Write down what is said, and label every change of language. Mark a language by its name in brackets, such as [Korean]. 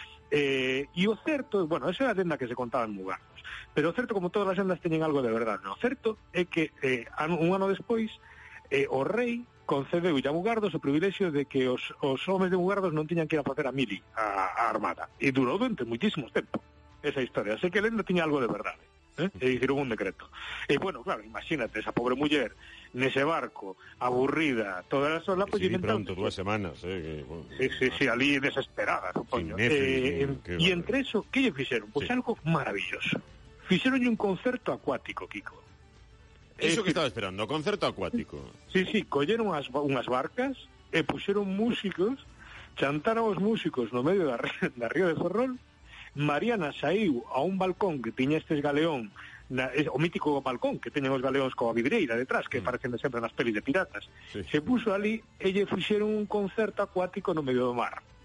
[Galician] E o certo, bueno, esa era a lenda que se contaba en Mugardos, pero o certo, como todas as lendas teñen algo de verdade, o certo é que un ano despois, o rei concedeu a Mugardos o privilexio de que os homens de Mugardos non tiñan que ir a facer a mili, a armada, e durou durante moitísimo tempo esa historia, así que a lenda tiña algo de verdade. [Spanish] Hicieron un decreto. Y bueno, claro, imagínate, esa pobre mujer en ese barco, aburrida, toda la sola, pues sí, pronto, dos semanas, bueno, sí, allí desesperada, supongo. Y entre eso, ¿qué le hicieron? Pues sí, algo maravilloso. Hicieron un concierto acuático, Kiko. Eso que estaba esperando, concierto acuático. Sí, sí, cogieron unas barcas, pusieron músicos, chantaron los músicos en el medio de Río de Ferrol. [Galician] Mariana saiu a un balcón que tiña este galeón, o mítico balcón que teñen os galeóns coa vidreira detrás, que parecen de sempre nas pelis de piratas. Sí. Se puso ali e lle fixeron un concerto acuático no medio do mar.